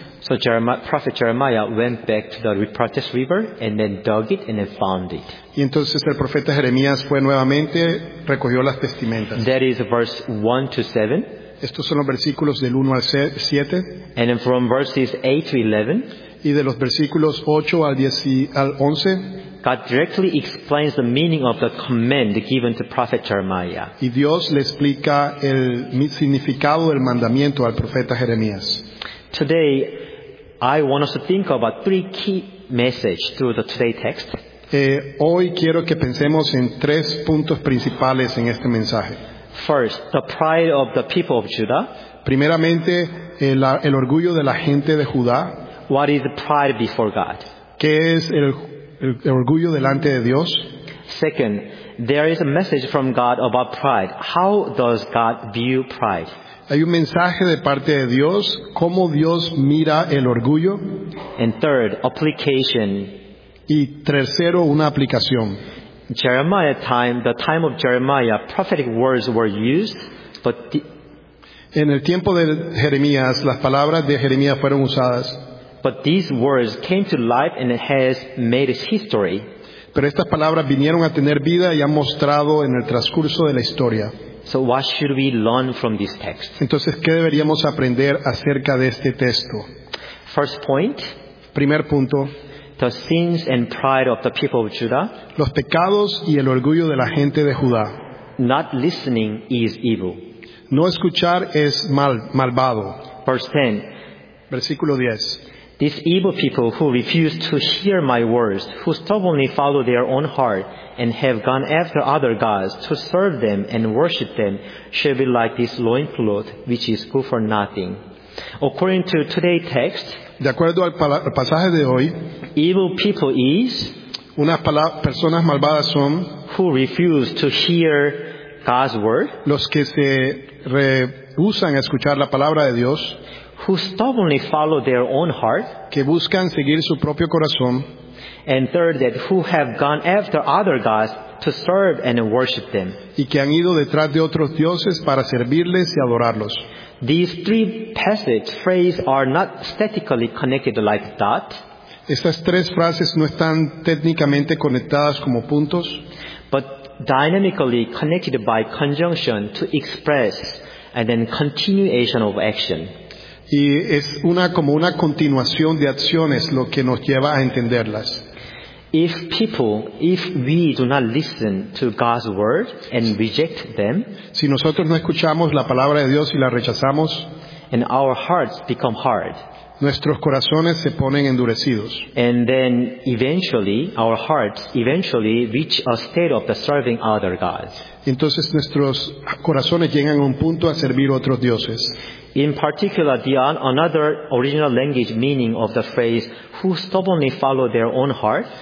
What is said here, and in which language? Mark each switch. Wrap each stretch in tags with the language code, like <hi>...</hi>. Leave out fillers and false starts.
<en>So Jeremiah, Prophet Jeremiah went back to the Euphrates River and then dug it and then found it.</en> <es>Y entonces el profeta Jeremías fue nuevamente, recogió las vestimentas.</es> <en>That is verse 1 to 7.</en> <es>Estos son los versículos del 1 al 7.</es> <en>And then from verses 8 to 11.</en> <es>Y de los versículos 8 al 10 al 11.</es> <en>God directly explains the meaning of the command given to Prophet Jeremiah.</en> <es>Y Dios le explica el significado del mandamiento al profeta Jeremías.</es> <en>Today, I want us to think about 3 key messages through the today text.</en> <es>Hoy quiero que pensemos en 3 puntos principales en este mensaje.</es> <en>First, the pride of the people of Judah.</en> <es>Primeramente, el orgullo de la gente de Judá.</es> <en>What is pride before God?</en> <es>¿Qué es el orgullo delante de Dios?</es> <en>Second, there is a message from God about pride. How does God view pride?</en> <es>Hay un mensaje de parte de Dios, cómo Dios mira el orgullo.</es> <en>And third, application.</en> <es>Y tercero, una aplicación.</es> <en>Jeremiah time, the time of Jeremiah, prophetic words were used, but</en> <es>en el tiempo de Jeremías, las palabras de Jeremías fueron usadas.</es> <en>But these words came to life and it has made its history.</en> <es>Pero estas palabras vinieron a tener vida y han mostrado en el transcurso de la historia.</es> <en>So what should we learn from this text?</en> <es>Entonces, ¿qué deberíamos aprender acerca de este texto?</es> <en>First point.</en> <es>Primer punto.</es> <en>The sins and pride of the people of Judah.</en> <es>Los pecados y el orgullo de la gente de Judá.</es> <en>Not listening is evil.</en> <es>No escuchar es malvado.</es> <en>Verse 10.</en> <es>Versículo 10.</es> <en>These evil people who refuse to hear my words, who stubbornly follow their own heart and have gone after other gods to serve them and worship them, shall be like this loincloth which is good for nothing. According to today's text,</en> <es>de acuerdo al pasaje de hoy,</es> <en>evil people is</en> <es>unas personas malvadas son</es> <en>who refuse to hear God's word,</en> <es>los que se rehúsan a escuchar la palabra de Dios,</es> <en>who stubbornly follow their own heart,</en> <es>que buscan seguir su propio corazón,</es> <en>and third, that who have gone after other gods to serve and worship them,</en> <es>y que han ido detrás de otros dioses para servirles y adorarlos.</es> <en>These 3 passage phrases are not statically connected like that.</en> <es>Estas 3 frases no están técnicamente conectadas como puntos,</es> <en>but dynamically connected by conjunction to express and then continuation of action.</en> <es>Y es una como una continuación de acciones lo que nos lleva a entenderlas.</es> <en>If we do not listen to God's word and reject them,</en> <es>si nosotros no escuchamos la palabra de Dios y la rechazamos,</es> <en>and our hearts become hard,</en> <es>nuestros corazones se ponen endurecidos,</es> <en>and then eventually our hearts eventually reach a state of the serving other gods.</en> <es>Entonces nuestros corazones llegan a un punto a servir otros dioses.</es> <en>In particular, another original language meaning of the phrase "who stubbornly follow their own heart."</en>